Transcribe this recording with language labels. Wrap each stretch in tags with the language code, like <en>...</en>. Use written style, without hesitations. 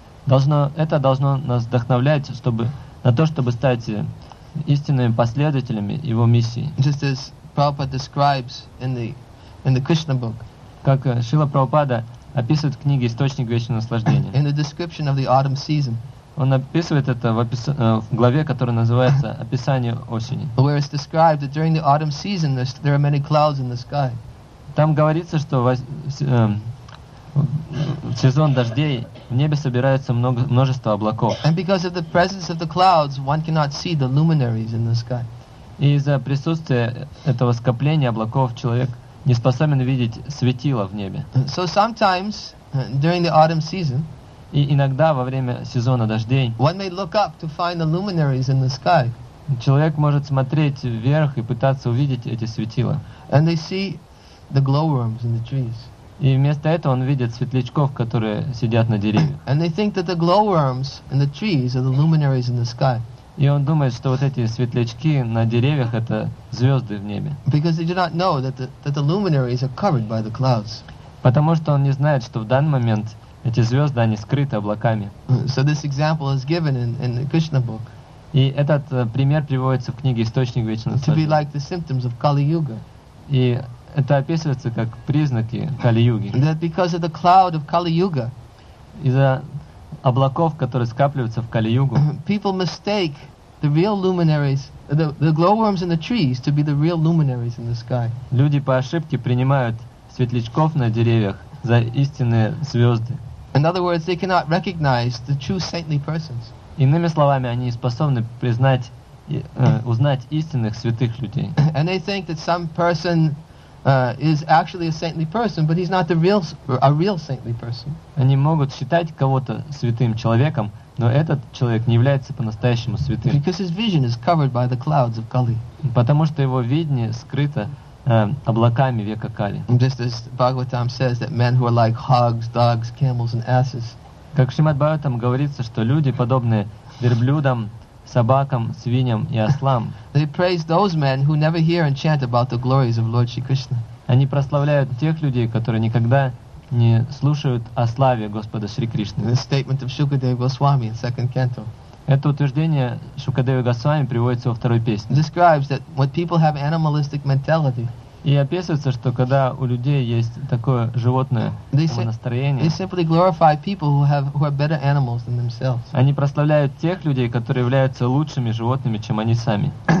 <ru>Это должно нас вдохновлять, чтобы на то, чтобы стать истинными последователями его миссии.</ru> <en>Just as Prabhupada describes in the Krishna book.</en> <ru>Как Шрила Прабхупада описывает в книге «Источник вечного наслаждения».</ru> <en>In the description of the autumn season.</en> <ru>Он описывает это в главе, которая называется «Описание осени».</ru> <en>Where it's described that during the autumn season there are many clouds in the sky.</en> <ru>Там говорится, что в сезон дождей в небе собирается множество облаков.</ru> <en>And because of the presence of the clouds, one cannot see the luminaries in the sky.</en> <ru>И из-за присутствия этого скопления облаков человек не способен видеть светила в небе.</ru> <en>So sometimes, during the autumn season,</en> <ru>и иногда во время сезона дождей,</ru> <en>one may look up to find the luminaries in the sky.</en> <ru>Человек может смотреть вверх и пытаться увидеть эти светила.</ru> <en>And they see the glowworms in the trees.</en> <ru>И вместо этого он видит светлячков, которые сидят на деревьях.</ru> <en>And they think that the glowworms in the trees are the luminaries in the sky.</en> <ru>И он думает, что вот эти светлячки на деревьях — это звезды в небе.</ru> <en>Because they do not know that the luminaries are covered by the clouds.</en> <ru>Потому что он не знает, что в данный момент эти звезды, они скрыты облаками.</ru> <en>So this example is given in the Krishna book.</en> <ru>И этот пример приводится в книге «Источник вечного наслаждения».</ru> <en>To be like the symptoms of Kali Yuga.</en> <ru>И это описывается как признаки Кали-юги.</ru> <en>That because of the cloud of Kali Yuga.</en> <ru>Из-за облаков, которые скапливаются в Кали-югу.</ru> <en>People mistake the real luminaries, the glowworms in the trees to be the real luminaries in the sky.</en> <ru>Люди по ошибке принимают светлячков на деревьях за истинные звезды.</ru> <en>In other words, they cannot recognize the true saintly persons.</en> <ru>Иными словами, они не способны узнать истинных святых людей.</ru> <en>And they think that some person is actually a saintly person, but he's not a real saintly person.</en> <ru>Они могут считать кого-то святым человеком, но этот человек не является по-настоящему святым.</ru> <en>Because his vision is covered by the clouds of Kali.</en> <ru>Потому что его видение скрыто облаками века Кали.</ru> <en>Just as Bhagavatam says that men who are like hogs, dogs, camels, and asses.</en> <ru>Как в Шримад Бхагаватам говорится, что люди подобные верблюдам, собакам, свиньям и ослам.</ru> <en>They praise those men who never hear and chant about the glories of Lord Shri Krishna.</en> <ru>Они прославляют тех людей, которые никогда не слушают о славе Господа Шри Кришны.</ru> <en>The statement of Shukadeva Goswami in second canto.</en> <ru>Это утверждение Шукадевы Госвами приводится во второй песне.</ru> <en>It describes that when people have animalistic mentality.</en> <ru>И описывается, что когда у людей есть такое животное настроение,</ru> <en>they simply glorify people who are better animals than themselves.</en> <ru>Они прославляют тех людей, которые являются лучшими животными, чем они сами.</ru>